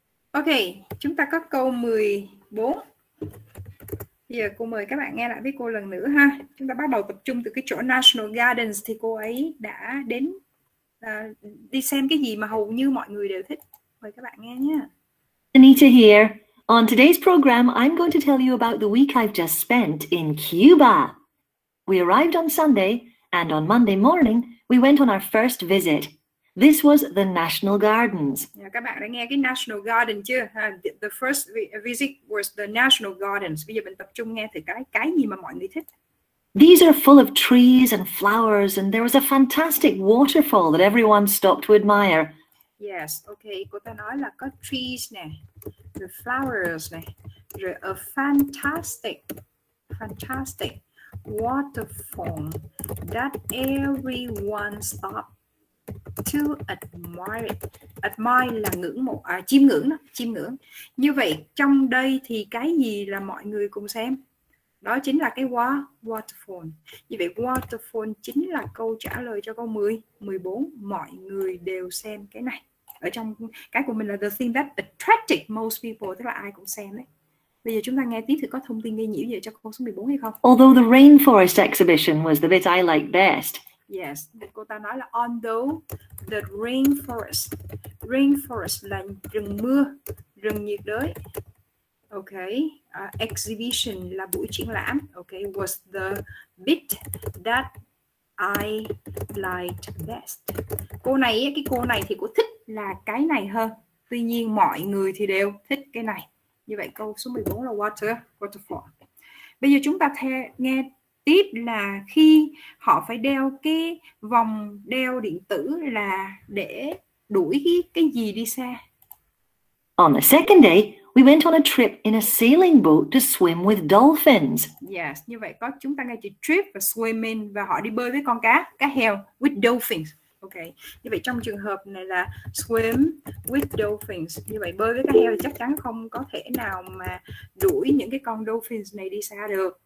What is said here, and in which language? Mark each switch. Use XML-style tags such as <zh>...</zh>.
<vi>Ok, chúng ta có câu 14. Bây giờ cô mời các bạn nghe lại với cô lần nữa ha. Chúng ta bắt đầu tập trung từ cái chỗ National Gardens thì cô ấy đã đến đi xem cái gì mà hầu như mọi người đều thích. Mời các bạn nghe nhé.</vi> <en>Anita here. On today's program, I'm going to tell you about the week I've just spent in Cuba. We arrived on Sunday and on Monday morning, we went on our first visit. This was the National Gardens. Yeah,</en> <vi>các bạn đã nghe cái National Garden chưa?</vi> <en>The first visit was the National Gardens.</en> <vi>Bây giờ mình tập trung nghe thử cái gì mà mọi người thích.</vi> <en>These are full of trees and flowers, and there was a fantastic waterfall that everyone stopped to admire. Yes, okay.</en> <vi>Cô ta nói là có trees nè, the flowers nè, rồi</vi> <en>a fantastic waterfall that everyone stopped to admire</en> <vi>là ngưỡng mộ, à chiêm ngưỡng đó, chiêm ngưỡng. Như vậy trong đây thì cái gì là mọi người cùng xem? Đó chính là cái waterfall. Như vậy waterfall chính là câu trả lời cho câu 14, mọi người đều xem cái này. Ở trong cái của mình là</vi> <en>the thing that attracted most people,</en> <vi>tức là ai cũng xem đấy. Bây giờ chúng ta nghe tiếp thì có thông tin gây nhiễu gì cho câu số 14 hay không?</vi> <en>Although the rainforest exhibition was the bit I liked best.</en> <vi>Yes, cô ta nói là</vi> <en>although the rainforest.</en> <vi>Rainforest là rừng mưa, rừng nhiệt đới. Okay, exhibition là buổi triển lãm.</vi> <en>Okay, was the bit that I liked best.</en> <vi>Cô này thì cô thích là cái này hơn. Tuy nhiên mọi người thì đều thích cái này. Như vậy câu số 14 là waterfall. Bây giờ chúng ta nghe tiếp là khi họ phải đeo cái vòng đeo điện tử là để đuổi cái gì đi xa.</vi> <en>On the second day, we went on a trip in a sailing boat to swim with dolphins.</en> <vi>Yes, như vậy có chúng ta nghe chữ trip và swimming và họ đi bơi với con cá heo</vi> <en>with dolphins.</en> <vi>Okay. Như vậy trong trường hợp này là</vi> <en>swim with dolphins.</en> <vi>Như vậy bơi với cá heo thì chắc chắn không có thể nào mà đuổi những cái con dolphins này đi xa được.</vi>